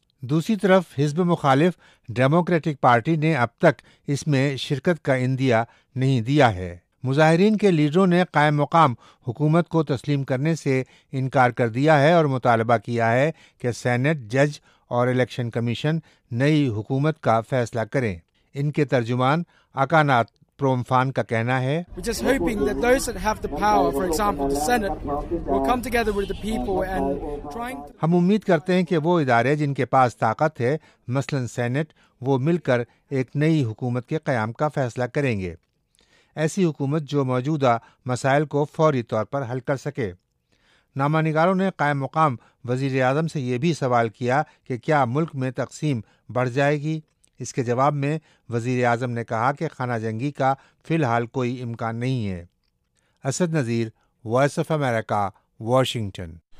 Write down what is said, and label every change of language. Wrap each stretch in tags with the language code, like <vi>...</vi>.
<ur>دوسری طرف حزب مخالف ڈیموکریٹک پارٹی نے اب تک اس میں شرکت کا عندیہ نہیں دیا ہے۔ مظاہرین کے لیڈروں نے قائم مقام حکومت کو تسلیم کرنے سے انکار کر دیا ہے اور مطالبہ کیا ہے کہ سینٹ، جج اور الیکشن کمیشن نئی حکومت کا فیصلہ کریں۔ ان کے ترجمان اکانات پرومفان کا کہنا ہے،</ur> <en>We're just hoping that those that have the power, for example, the Senate, will come together with the people and trying to...</en> <ur>ہم امید کرتے ہیں کہ وہ ادارے جن کے پاس طاقت ہے، مثلا سینٹ، وہ مل کر ایک نئی حکومت کے قیام کا فیصلہ کریں گے، ایسی حکومت جو موجودہ مسائل کو فوری طور پر حل کر سکے۔ نامہ نگاروں نے قائم مقام وزیر اعظم سے یہ بھی سوال کیا کہ کیا ملک میں تقسیم بڑھ جائے گی؟ اس کے جواب میں وزیر اعظم نے کہا کہ خانہ جنگی کا فی الحال کوئی امکان نہیں ہے۔ Asad Nazir, voice of America, Washington.</ur>